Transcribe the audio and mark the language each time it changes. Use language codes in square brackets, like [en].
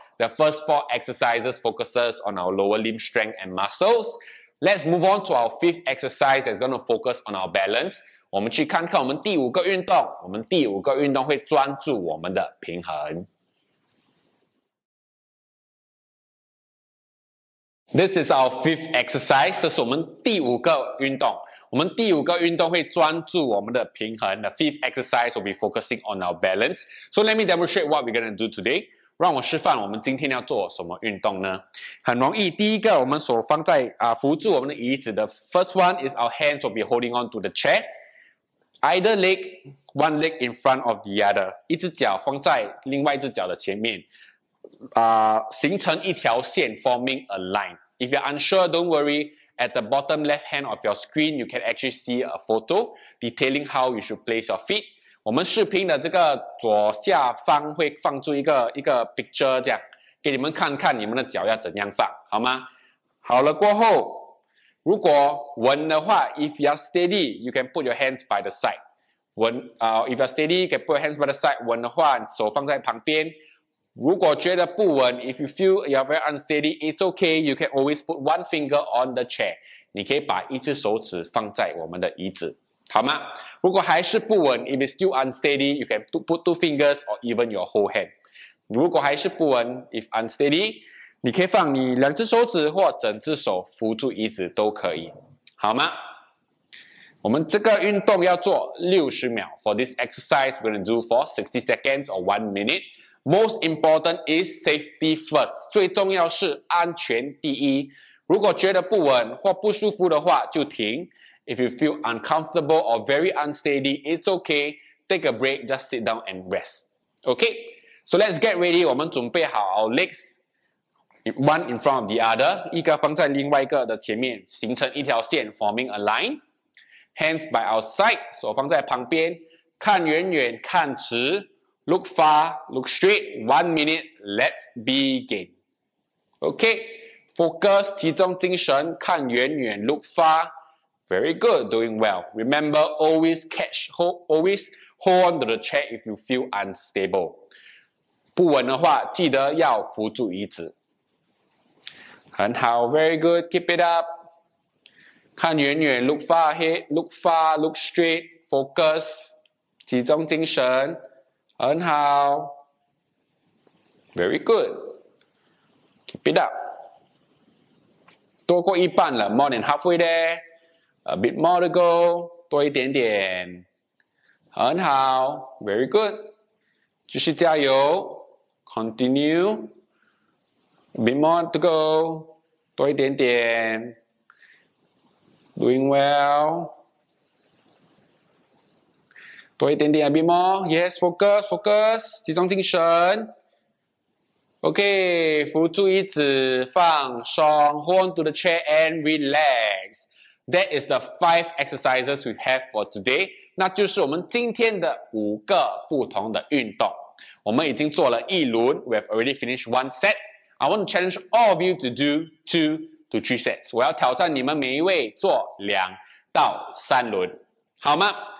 [en] The first four exercises focuses on our lower limb strength and muscles. Let's move on to our fifth exercise that's going to focus on our balance. [zh] 我们去看看我们第五个运动。我们第五个运动会专注我们的平衡。 [en] This is our fifth exercise. [zh] 这是我们第五个运动。我们第五个运动会专注我们的平衡。 [en] The fifth exercise will be focusing on our balance. So let me demonstrate what we're going to do today. [zh] 让我示范我们今天要做什么运动呢? 很容易, 第一个我们手放在, 扶住我们的椅子, [en] the first one is our hands will be holding on to the chair. Either leg, one leg in front of the other. [zh] 一只脚放在另外一只脚的前面, 形成一条线, forming a line. [en] If you're unsure, don't worry. At the bottom left hand of your screen, you can actually see a photo detailing how you should place your feet. [zh] 我们视频的这个左下方会放出一个 picture 这样，给你们看看你们的脚要怎样放，好吗？好了过后，如果稳的话， [en] if you are steady, you can put your hands by the side. [zh] 稳, [en] if you are steady, you can put your hands by the side. [zh] 稳的话，手放在旁边。如果觉得不稳, [en] if you feel you're very unsteady, it's okay, you can always put one finger on the chair. [zh] 你可以把一只手指放在我们的椅子，好吗? 如果还是不稳, [en] if it's still unsteady, you can put two fingers or even your whole hand. [zh] 如果还是不稳, [en] if unsteady, [zh] 你可以放你两只手指或整只手扶住椅子都可以，好吗? [en] 我们这个运动要做60秒, for this exercise, we're going to do for 60 seconds or 1 minute. Most important is safety first. [zh] 最重要是安全第一。如果觉得不稳或不舒服的话就停。 [en] If you feel uncomfortable or very unsteady, it's okay. Take a break, just sit down and rest. Okay, so let's get ready. [zh] 我们准备好 [en] our legs. One in front of the other. [zh] 一个放在另外一个的前面, 形成一条线, forming a line. [en] Hands by our side, [zh] 手放在旁边, 看远远, 看直, [en] look far, look straight, 1 minute, let's begin. Okay, focus, [zh] 集中精神, 看远远, [en] look far. Very good, doing well. Remember, always catch, always hold on to the chair if you feel unstable. [zh] 不稳的话, 记得要扶住椅子. [en] 很好, very good, keep it up. [zh] 看远远, [en] look far ahead, look far, look straight, focus, [zh] 集中精神. [en] 很好, very good, keep it up, [zh] 多过一半了, [en] more than halfway there, a bit more to go, [zh] 多一点点, [en] 很好, very good, [zh] 继续加油, [en] continue, a bit more to go, 多一点点, doing well, [zh] 多一点点, [en] a bit more. Yes, focus, focus. [zh] 集中精神. [en] Okay, [zh] 扶住椅子放松, [en] hold on to the chair and relax. That is the 5 exercises we have for today. [zh] 那就是我们今天的5个不同的运动。我们已经做了一轮, [en] we have already finished 1 set. I want to challenge all of you to do 2 to 3 sets. [zh] 我要挑战你们每一位做2到3轮。好吗?